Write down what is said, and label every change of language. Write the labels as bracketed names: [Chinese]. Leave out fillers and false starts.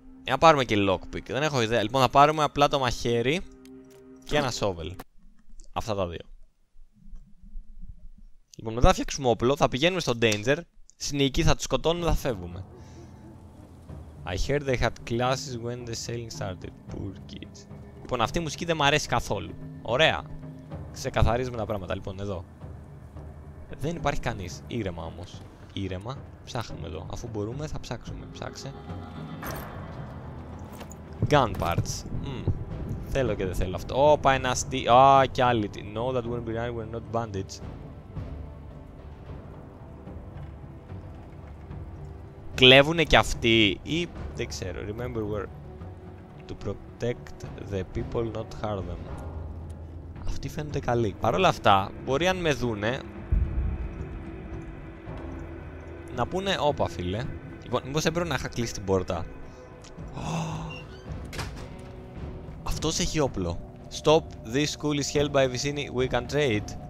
[Greek] Να πάρουμε και lockpick. Δεν έχω ιδέα. Λοιπόν, να πάρουμε απλά το μαχαίρι και ένα σόβελ. Αυτά τα δύο. Λοιπόν, μετά θα φτιάξουμε όπλο. Θα πηγαίνουμε στο danger. Συνήκη, θα του σκοτώνουμε, θα φεύγουμε. [English] I heard they had classes when the sailing started. Poor kids. [Greek] Λοιπόν, αυτή η μουσική δεν μου αρέσει καθόλου. Ωραία. Ξεκαθαρίζουμε τα πράγματα. Λοιπόν, εδώ. Δεν υπάρχει κανείς. Ήρεμα όμως. Ήρεμα. Ψάχνουμε εδώ. Αφού μπορούμε, θα ψάξουμε. Ψάξε. Gun parts. Θέλω και δεν θέλω αυτό. Ωπα, ένα στι. Α, κι άλλη. [English] Know that when we're running, we're not bandits. [Greek] Κλέβουνε κι αυτοί. Ή. Δεν ξέρω. Remember where. [English] To protect the people, not harm them. [Greek] Αυτοί φαίνονται καλοί. Παρ' όλα αυτά, μπορεί αν με δούνε. Να πούνε, όπα φίλε. Λοιπόν, μήπως έπρεπε να είχα κλείσει την πόρτα. Oh. Αυτός έχει όπλο. [English] Stop, this school is held by Vicini, we can trade.